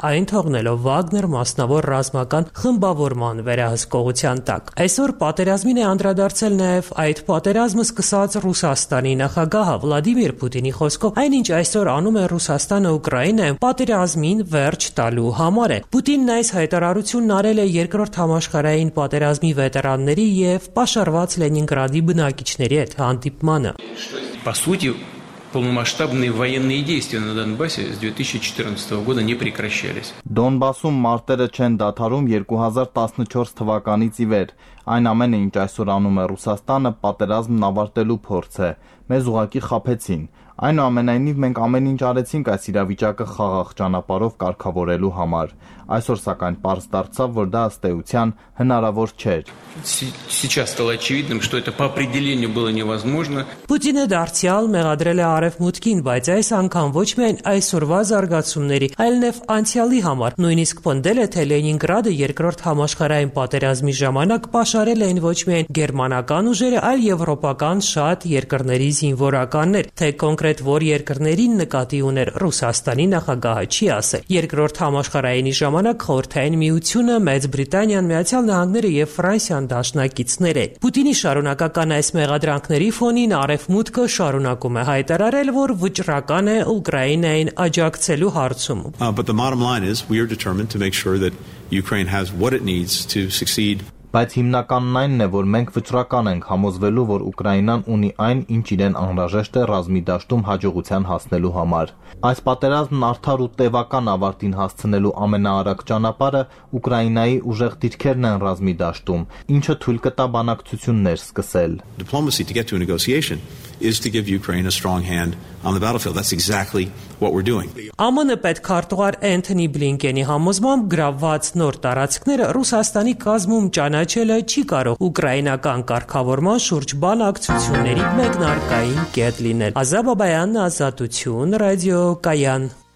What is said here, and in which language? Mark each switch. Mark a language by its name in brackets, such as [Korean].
[Armenian] այն թողնելով Վագներ մասնավոր ռազմական խմբավորման վերահսկողության տակ։ Այսօր պատերազմին է անդրադարձել նաև այդ պատերազմը սկսած Ռուսաստանի նախագահ Վլադիմիր Պուտինի խոսքով, այնինչ այսօր անում է Ռուսաստանը Ուկրաինայում պատերազմին վերջ տալու համար է։ Պուտինն այս հայտարարությունն արել է 2-րդ համաշխարհային պատերազմի վետերանների և պաշարված Լենինգրադի բնակիչների հետ հանդիպմանը։ [Russian] Полномасштабные военные действия на Донбассе с 2014 года не прекращались. [Armenian] Донбассում մարտերը չեն դադարում 2014 թվականից ի վեր։ Այն ամենը, ինչ այսօր անում է Ռուսաստանը, պատերազմն ավարտելու փորձ է։ Մեզ ուղղակի խափեցին։ Այնուամենայնիվ մենք ամեն ինչ արեցինք այս իրավիճակը խաղաղ ճանապարհով կարգավորելու համար։ Այսօր սակայն պարզ դարձավ, որ դա ըստ էության հնարավոր չէր։ Պուտինը դարձյալ մեղադրել է Արևմուտքին, բայց այս անգամ ոչ միայն այսօրվա զարգացումների, այլև անցյալի համար, նույնիսկ պնդել է, թե Լենինգրադը երկրորդ համաշխարհային պատերազմի ժամանակ պաշարել էին ոչ միայն գերմանական ուժերը, այլ եվրոպական շատ երկրների զինվորականներ, թե կոնկրետ որ երկրներին նկատի ուներ Ռուսաստանի նախագահը չի ասել։ Երկրորդ համաշխարհայինի ժամանակ խորհրդային միությունը Մեծ Բրիտանիան, Միացյալ Նահանգները և Ֆրանսիան դաշնակիցներ են։ Պուտինի շարունակական այս մեղադրանքների ֆոնին Արևմուտքը շարունակում է հայտարարել, որ վճռական է Ուկրաինային աջակցելու հարցում։ [English] But the bottom line is we are determined to make sure that Ukraine has what it needs to succeed. [Armenian] Բայց հիմնականն այնն է, որ մենք վճռական ենք համոզվելու, որ Ուկրաինան ունի այն, ինչ իրեն անհրաժեշտ է ռազմիդաշտում հաջողության հասնելու համար։ Այս պատերազմն արդար ու տևական ավարտին հասցնելու ամենաարագ ճանապարհը Ուկրաինայի ուժեղ դիրքերն են ռազմիդաշտում, ինչը թույլ կտա բանակցություններ սկսել։ [English] Diplomacy to get to a negotiation is to give Ukraine a strong hand on the battlefield. That's exactly what we're doing. [Armenian] ԱՄՆ-ի պետք քարտուղար Էնթոնի Բլինկենի համոզմամբ գրաված նոր տարածքները Ռուսաստանի կազմում ճանաչելը չի կարող ուկրաինական կարգավորման շուրջ բանակցությունների մեկնարկային կետ լինել։ Ազա Բաբայան, Ազատություն, Ռադիո Կայան։